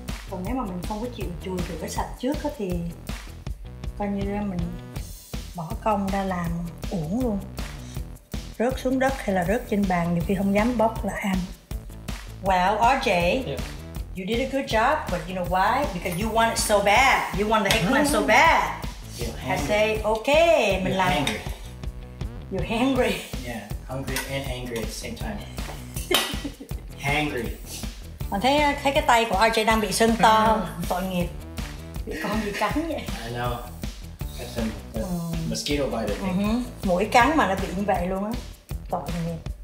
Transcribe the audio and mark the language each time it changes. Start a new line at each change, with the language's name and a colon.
Vietnamese: Còn nếu mà mình không có chịu chùi rửa sạch trước á thì coi như là mình bỏ công ra làm uổng luôn. Rớt xuống đất hay là rớt trên bàn nhiều khi không dám bóc là ăn.
English: Well, RJ, yeah. You did a good job, but you know why? Because you want it so bad. You want the eggplant so bad. I say, okay,
Vietnamese: mình làm. Angry.
English: You're hangry. Yeah, hungry and angry at the same time. Hangry.
Vietnamese: Còn thấy thấy cái tay của RJ đang bị sưng to, tội nghiệp. Bị con gì cắn vậy?
English: I know. That's him. Mosquito bite, I think.
Vietnamese: Mũi cắn mà nó bị như vậy luôn á. Tội nghiệp.